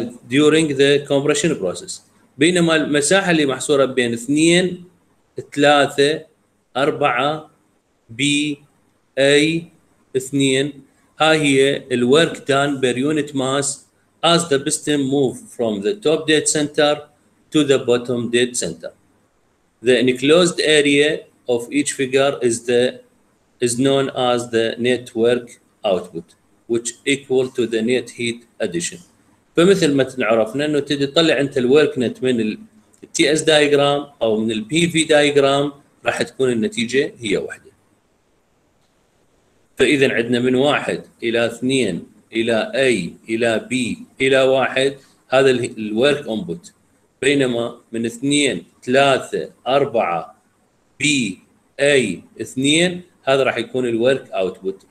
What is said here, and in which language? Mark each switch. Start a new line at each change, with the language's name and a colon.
English: during the compression process،
Arabic: بينما المساحة اللي محصورة بين 2 3 4 B A 2 ها هي ال
English: work done per unit mass as the piston move from the top dead center to the bottom dead center. The enclosed area of each figure is known as the net work output which equal to the net heat addition.
Arabic: فمثل ما عرفنا انه تدي تطلع انت الورك نت من التي اس دايجرام او من البي في دايجرام راح تكون النتيجه هي واحده. فاذا عندنا من 1 الى 2 الى اي الى بي الى 1 هذا الورك انبوت، بينما من 2 3 4 بي اي 2 هذا راح يكون الورك اوتبوت.